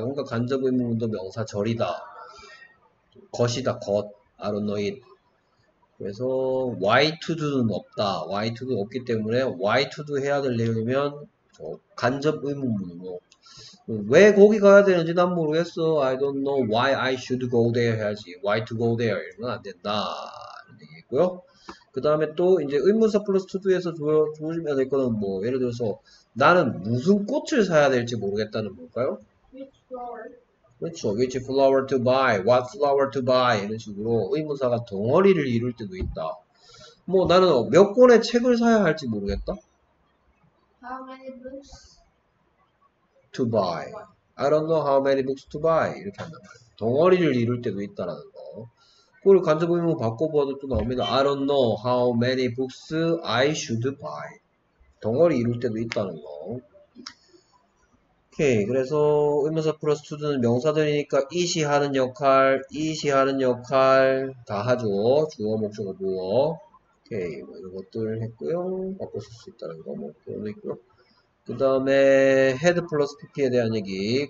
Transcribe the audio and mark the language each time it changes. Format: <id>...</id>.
<ko>그러니까 간접 의문문도 명사절이다. 것이다, 것.</ko> <en>I don't know it.</en> <ko>그래서,</ko> <en>why to do는 없다.</en> <ko>why to do 없기 때문에, why to do 해야 될 내용이면, 간접 의문문으로. 왜 거기 가야 되는지 난 모르겠어.</ko> <en>I don't know why I should go there</en> <ko>해야지.</ko> <en>why to go there.</en> <ko>이러면 안 된다. 이런 얘기고요. 그 다음에 또, 이제 의문사 플러스 to do에서 조심해야 될 거는 뭐, 예를 들어서, 나는 무슨 꽃을 사야 될지 모르겠다는 걸까요?</ko> <en>Which flower to buy? What flower to buy?</en> <ko>이런 식으로 의문사가 덩어리를 이룰 때도 있다. 뭐 나는 몇 권의 책을 사야 할지 모르겠다.</ko> <en>How many books to buy? I don't know how many books to buy.</en> <ko>이렇게 한단 말이야. 덩어리를 이룰 때도 있다라는 거. 그걸 간접 의문 바꿔봐도 또 나옵니다. I don't know how many books I should buy. 덩어리 이룰 때도 있다는 거. 오케이. 그래서 의문사 플러스 투드는 명사들이니까 이시하는 역할, 이시하는 역할 다 하죠. 주어, 목적어, 보어. 오케이. 뭐 이런 것들 했고요. 바꿔 쓸 수 있다는 거 뭐 그런 거 있고요. 그 다음에 헤드 플러스 PP에 대한 얘기.</ko>